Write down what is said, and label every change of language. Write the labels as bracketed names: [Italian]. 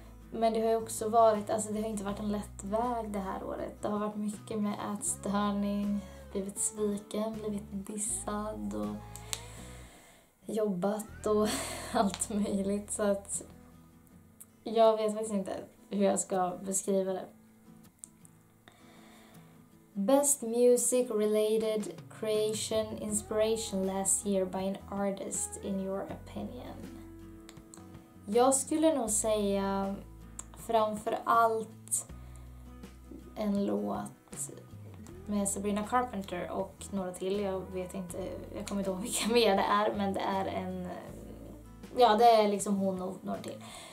[Swedish] Men det har ju också varit, alltså det har inte varit en lätt väg det här året. Det har varit mycket med ätstörning, blivit sviken, blivit dissad och jobbat och allt möjligt. Så att jag vet faktiskt inte hur jag ska beskriva det. [English] Best music related creation inspiration last year by an artist in your opinion. [Swedish] Jag skulle nog säga framför allt en låt med Sabrina Carpenter och några till. Jag vet inte, jag kommer inte ihåg vilka mer det är, men det är en, ja, det är liksom hon och några till.